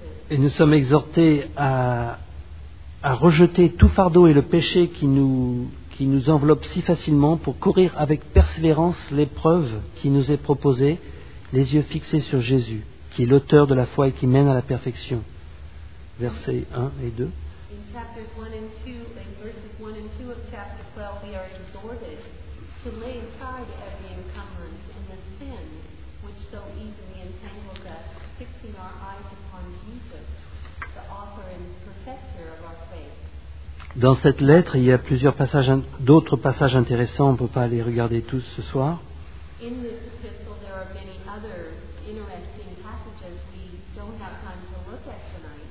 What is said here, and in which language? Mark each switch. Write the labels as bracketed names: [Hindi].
[French] Et nous sommes exhortés à rejeter tout fardeau et le péché qui nous enveloppe si facilement pour courir avec persévérance l'épreuve qui nous est proposée, les yeux fixés sur Jésus, qui est l'auteur de la foi et qui mène à la perfection. Versets 1 et 2. [English] In chapters 1 and 2, in verses 1 and 2 of chapter 12, we are exhorted to lay aside every encumbrance and the sin which so easily entangles us, fixing our eyes upon Jesus, the author and perfecter of our faith. [French] Dans cette lettre, il y a plusieurs passages, d'autres passages intéressants, on ne peut pas les regarder tous ce soir. [English] In this epistle, there are many other interesting passages we don't have time to look at tonight.